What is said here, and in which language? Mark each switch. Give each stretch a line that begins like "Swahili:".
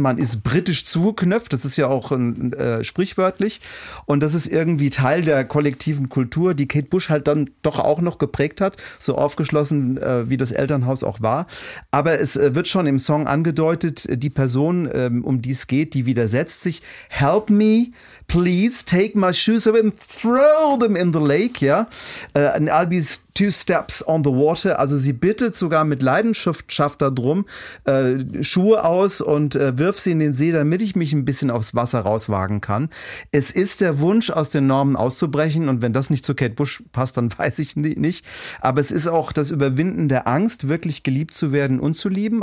German: Man ist britisch zugeknöpft, das ist ja auch sprichwörtlich, und das ist irgendwie Teil der kollektiven Kultur, die Kate Bush halt dann doch auch noch geprägt hat, so aufgeschlossen, wie das Elternhaus auch war. Aber es wird schon im Song angedeutet, die Person, um die es geht, die widersetzt sich.
English: Help me, please, take my shoes off and throw them in the lake.
German: Ja?
English: And I'll be two steps on the water.
German: Also sie bittet sogar mit Leidenschaft darum, Schuhe aus und wirf sie in den See, damit ich mich ein bisschen aufs Wasser rauswagen kann. Es ist der Wunsch, aus den Normen auszubrechen. Und wenn das nicht zu Kate Bush passt, dann weiß ich nicht. Aber es ist auch das Überwinden der Angst, wirklich geliebt zu werden und zu lieben.